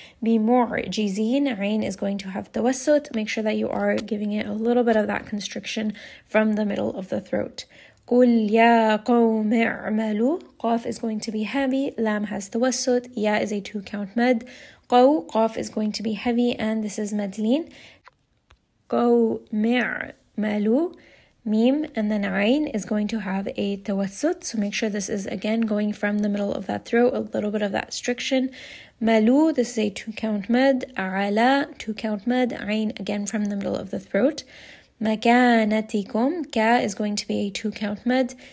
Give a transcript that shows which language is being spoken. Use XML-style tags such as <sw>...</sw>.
<en>Bimu'jizin, ayn is going to have tawassut. Make sure that you are giving it a little bit of that constriction from the middle of the throat.</en> <ar>قُلْ يَا قَوْمِ اعْمَلُوا</ar> <en>قَاف is going to be heavy. Lam has tawassut. Ya is a two-count med. قَوْ قَاف is going to be heavy. And this is madleen.</en> <ar>قَوْمِ اعْمَلُوا Meem.</ar> <en>And then عَيْن is going to have a tawassut. So make sure this is again going from the middle of that throat. A little bit of that restriction. مَلُوا, this is a two-count med. عَلَى, two-count med. عَيْن again from the middle of the throat. Makanatikum, ka is going to be a two count med.</en>